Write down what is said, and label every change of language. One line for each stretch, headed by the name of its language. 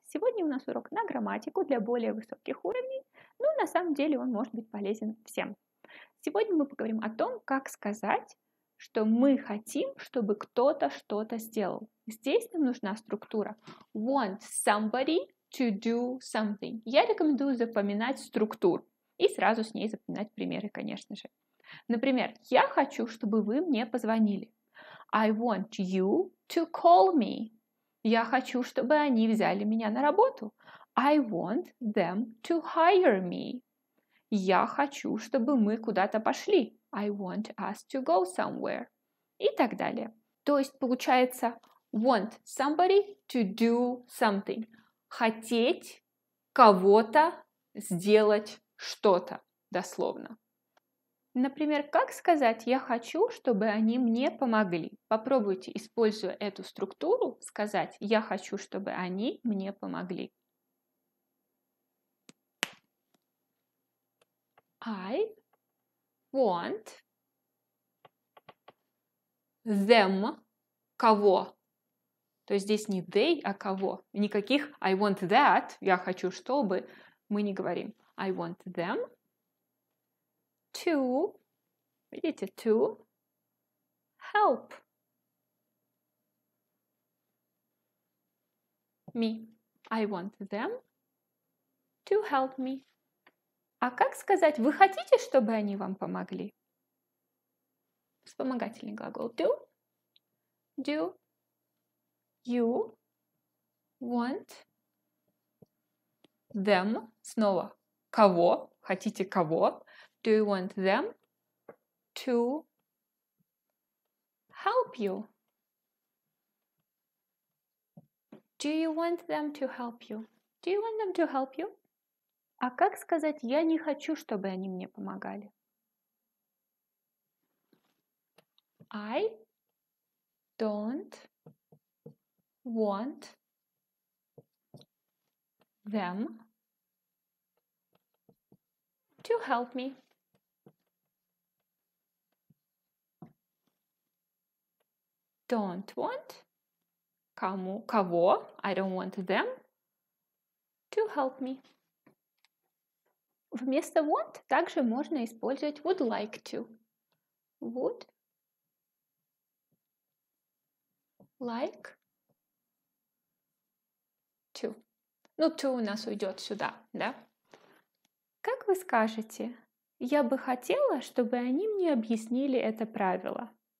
Russian: Сегодня у нас урок на грамматику для более высоких уровней, но на самом деле он может быть полезен всем. Сегодня мы поговорим о том, как сказать, что мы хотим, чтобы кто-то что-то сделал. Здесь нам нужна структура
English: want somebody to do something.
Russian: Я рекомендую запоминать структуру и сразу с ней запоминать примеры, конечно же. Например, я хочу, чтобы вы мне позвонили.
English: I want you to call me.
Russian: Я хочу, чтобы они взяли меня на работу.
English: I want them to hire me.
Russian: Я хочу, чтобы мы куда-то пошли.
English: I want us to go somewhere.
Russian: И так далее. То есть получается
English: want somebody to do something.
Russian: Хотеть кого-то сделать что-то, дословно. Например, как сказать «я хочу, чтобы они мне помогли»? Попробуйте, используя эту структуру, сказать «я хочу, чтобы они мне помогли».
English: I want them,
Russian: кого? То есть здесь не they, а кого. Никаких
English: I want that,
Russian: я хочу, чтобы, мы не говорим.
English: I want them. To,
Russian: видите,
English: to help me. I want them to help me.
Russian: А как сказать, вы хотите, чтобы они вам помогли? Вспомогательный глагол do.
English: Do you want them?
Russian: Снова, кого? Хотите кого?
English: Do you want them to help you? Do you want them to help you? Do you want them to help you?
Russian: А как сказать «я не хочу, чтобы они мне помогали»?
English: I don't want them to help me. Don't want,
Russian: кому, кого,
English: I don't want them to help me.
Russian: Вместо want также можно использовать
English: would like to. Would like to.
Russian: Ну, to у нас уйдет сюда, да? Как вы скажете, я бы хотела, чтобы они мне объяснили это правило.